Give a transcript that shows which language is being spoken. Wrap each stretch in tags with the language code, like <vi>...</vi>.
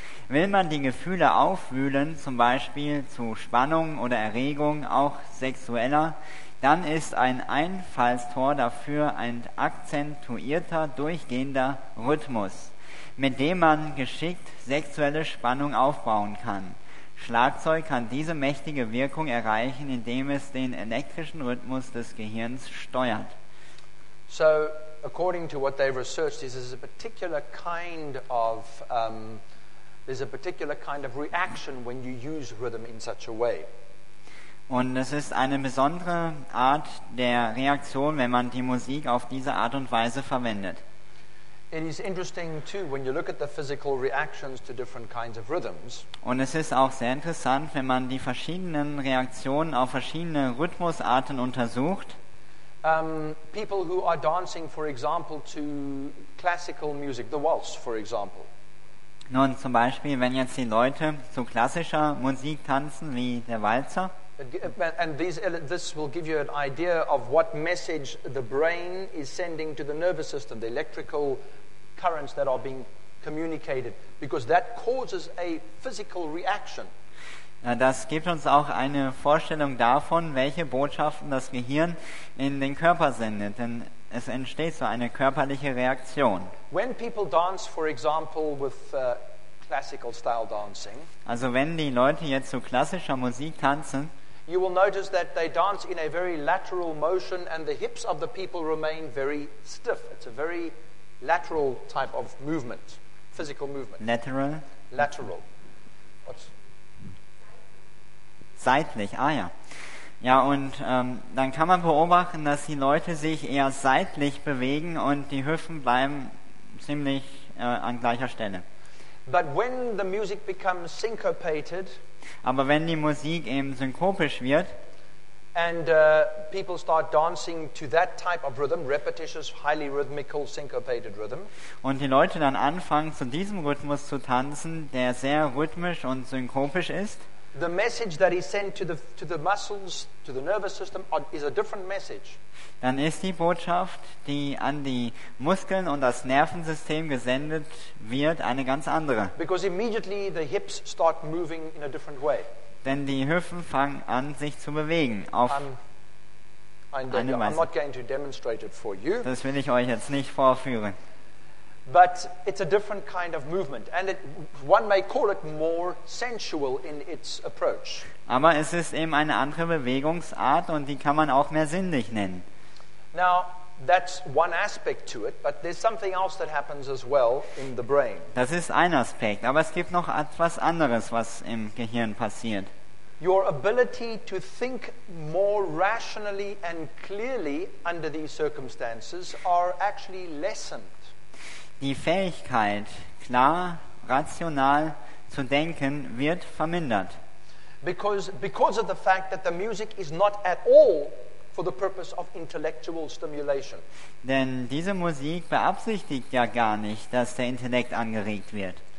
<de>Will man die Gefühle aufwühlen, zum Beispiel zu Spannung oder Erregung, auch sexueller, dann ist ein Einfallstor dafür ein akzentuierter, durchgehender Rhythmus, mit dem man geschickt sexuelle Spannung aufbauen kann. Schlagzeug kann diese mächtige Wirkung erreichen, indem es den elektrischen Rhythmus des Gehirns steuert.</de> <en>So, according to what they've researched, this is a particular kind of there's a particular kind of reaction when you use rhythm in such a way.</en> <de>Und es ist eine besondere Art der Reaktion, wenn man die Musik auf diese Art und Weise verwendet.</de> <en>It is interesting too when you look at the physical reactions to different kinds of rhythms.</en> <de>Und es ist auch sehr interessant, wenn man die verschiedenen Reaktionen auf verschiedene Rhythmusarten untersucht.</de> <en>People who are dancing, for example, to classical music, the waltz, for example.</en> <de>Nun, zum Beispiel, wenn jetzt die Leute zu klassischer Musik tanzen, wie der Walzer.</de> <en>And this will give you an idea of what message the brain is sending to the nervous system, the electrical currents that are being communicated, because that causes a physical reaction.</en> <de>Das gibt uns auch eine Vorstellung davon, welche Botschaften das Gehirn in den Körper sendet, denn es entsteht so eine körperliche Reaktion.</de> <en>When people dance, for example, with classical style dancing,</en> <de>also wenn die Leute jetzt zu klassischer Musik tanzen,</de> <en>you will notice that they dance in a very lateral motion and the hips of the people remain very stiff. It's a very lateral type of movement, physical movement. Lateral? Lateral.</en> <de>Seitlich, ah ja. Ja, und dann kann man beobachten, dass die Leute sich eher seitlich bewegen und die Hüften bleiben ziemlich an gleicher Stelle.</de> <en>But when the music becomes syncopated,</en> <de>aber wenn die Musik eben synkopisch wird</de> <en>and people start dancing to that type of rhythm, repetitious, highly rhythmical, syncopated rhythm,</en> <de>und die Leute dann anfangen, zu diesem Rhythmus zu tanzen, der sehr rhythmisch und synkopisch ist,</de> <en>the message that is sent to the muscles, to the nervous system, is a different message.</en> <de>Dann ist die Botschaft, die an die Muskeln und das Nervensystem gesendet wird, eine ganz andere.</de> <en>Because immediately the hips start moving in a different way.</en> <de>Denn die Hüften fangen an, sich zu bewegen auf eine Weise.</de> <en>I'm not going to demonstrate it for you.</en> <de>Das will ich euch jetzt nicht vorführen.</de> <en>But it's a different kind of movement, and one may call it more sensual in its approach.</en> <de>Aber es ist eben eine andere Bewegungsart, und die kann man auch mehr sinnlich nennen.</de> <en>Now, that's one aspect to it, but there's something else that happens as well in the brain.</en> <de>Das ist ein Aspekt, aber es gibt noch etwas anderes, was im Gehirn passiert.</de> <en>Your ability to think more rationally and clearly under these circumstances are actually lessened.</en> <de>Die Fähigkeit, klar, rational zu denken, wird vermindert.</de> <en>Because of the fact that the music is not at all for the purpose of intellectual stimulation.</en> <de>Denn diese Musik beabsichtigt ja gar nicht, dass der Intellekt angeregt wird.</de>